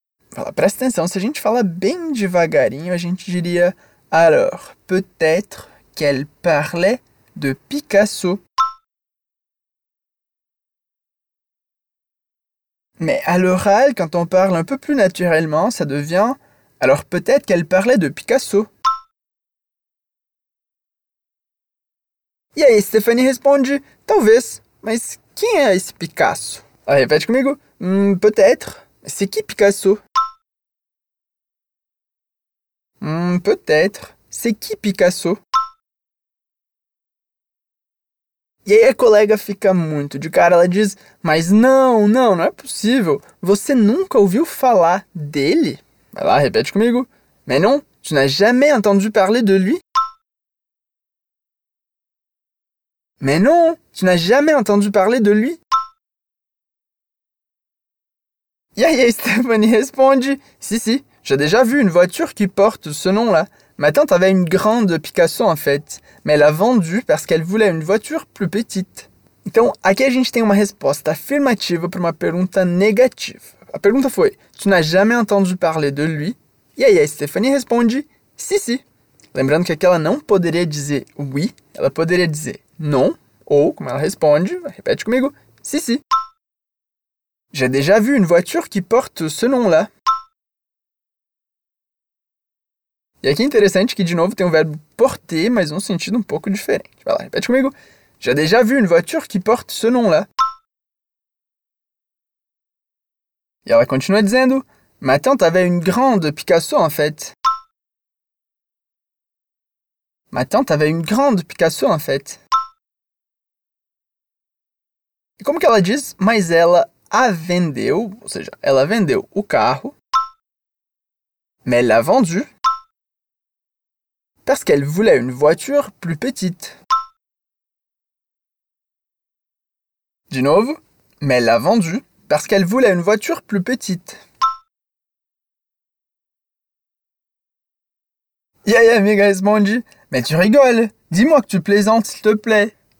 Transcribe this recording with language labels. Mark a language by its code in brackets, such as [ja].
[pt] Voilà, presta atenção, se a gente fala bem devagarinho, a gente diria: [fr] alors peut-être qu'elle parlait de Picasso? Mais à l'oral, quand on parle un peu plus naturellement, ça devient « alors peut-être qu'elle parlait de Picasso ». [pt] E aí, Stephanie responde « talvez, mas quem é esse Picasso ?» [fr] Alors, répète comigo « peut-être, mais c'est qui Picasso ?»« peut-être, c'est qui Picasso ?» [pt] E aí a colega fica muito de cara, ela diz, mas não é possível, você nunca ouviu falar dele? Vai lá, repete comigo. [fr] Mais non, tu n'as jamais entendu parler de lui? Mais non, tu n'as jamais entendu parler de lui? [pt] E aí a Stephanie responde, [fr] si, j'ai déjà vu une voiture qui porte ce nom-là. Ma tante avait une grande Picasso, en fait, mais elle a vendu parce qu'elle voulait une voiture plus petite. [pt] Então, aqui a gente tem uma resposta afirmativa para uma pergunta negativa. A pergunta foi, [fr] tu n'as jamais entendu parler de lui? [pt] E aí a Stephanie responde, si. Lembrando que aqui ela não poderia dizer oui, ela poderia dizer non, ou, como ela responde, repete comigo, si. [fr] J'ai déjà vu une voiture qui porte ce nom-là. [pt] E aqui é interessante que, de novo, tem o verbo porter, mas num sentido um pouco diferente. Vai lá, repete comigo. [fr] J'ai déjà vu une voiture qui porte ce nom-là. [pt] E ela continua dizendo, [fr] ma tante avait une grande Picasso, en fait. Ma tante avait une grande Picasso, en fait. [pt] E como que ela diz, mas ela a vendeu, ou seja, ela vendeu o carro, [fr] mais elle a vendu. Parce qu'elle voulait une voiture plus petite. [pt] De novo, [fr] mais elle l'a vendue parce qu'elle voulait une voiture plus petite. [pt] E aí, amiga, responde, [fr] mais tu rigoles. Dis-moi que tu plaisantes, s'il te plaît.